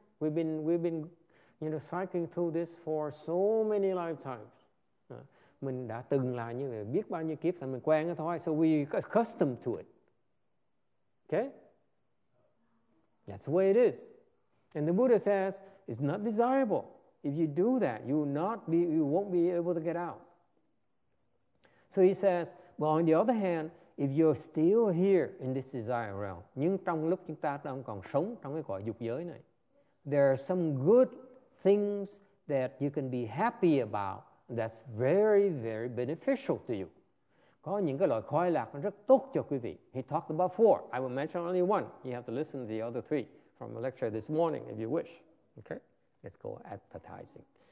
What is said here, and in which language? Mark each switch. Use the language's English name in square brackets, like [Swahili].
[English] We've been you know, cycling through this for so many lifetimes. [Vietnamese] Mình đã từng là như vậy, biết bao nhiêu kiếp là mình quen thôi, [English] so we accustomed to it. Okay? That's the way it is. And the Buddha says, it's not desirable. If you do that, you won't be able to get out. So he says, well, on the other hand, if you're still here in this desire realm, [Vietnamese] nhưng trong lúc chúng ta đang còn sống trong cái cõi dục giới này, [English] there are some good things that you can be happy about that's very, very beneficial to you. [Vietnamese] Có những cái loại khoái lạc rất tốt cho quý vị. [English] He talked about four. I will mention only one. You have to listen to the other three from the lecture this morning if you wish. Okay? Let's go advertising.